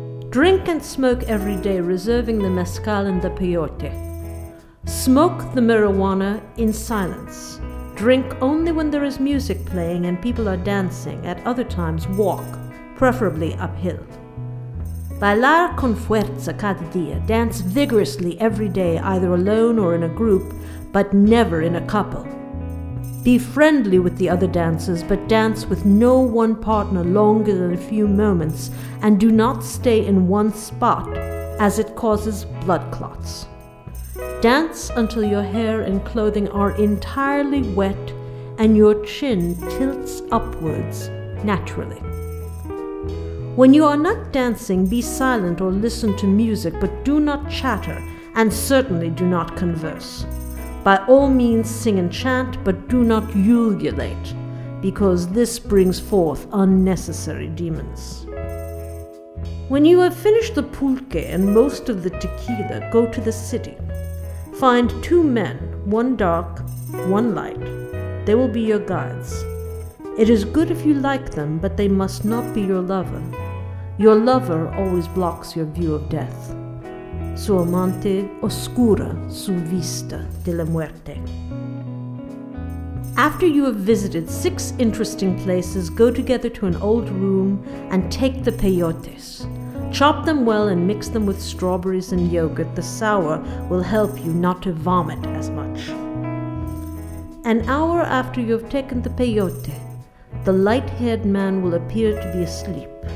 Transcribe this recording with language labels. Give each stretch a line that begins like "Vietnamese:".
English: Drink and smoke every day, reserving the mezcal and the peyote. Smoke the marijuana in silence. Drink only when there is music playing and people are dancing. At other times, walk, preferably uphill.
Spanish: Bailar con fuerza cada día.
English: Dance vigorously every day, either alone or in a group, but never in a couple. Be friendly with the other dancers, but dance with no one partner longer than a few moments, and do not stay in one spot, as it causes blood clots. Dance until your hair and clothing are entirely wet and your chin tilts upwards naturally. When you are not dancing, be silent or listen to music, but do not chatter and certainly do not converse. By all means, sing and chant, but do not ululate, because this brings forth unnecessary demons. When you have finished the pulque and most of the tequila, go to the city. Find 2 men, 1 dark, 1 light. They will be your guides. It is good if you like them, but they must not be your lover. Your lover always blocks your view of death.
Spanish: Su amante oscura su vista de la muerte.
English: After you have visited 6 interesting places, go together to an old room and take the peyotes. Chop them well and mix them with strawberries and yogurt. The sour will help you not to vomit as much. An hour after you have taken the peyote, the light-haired man will appear to be asleep.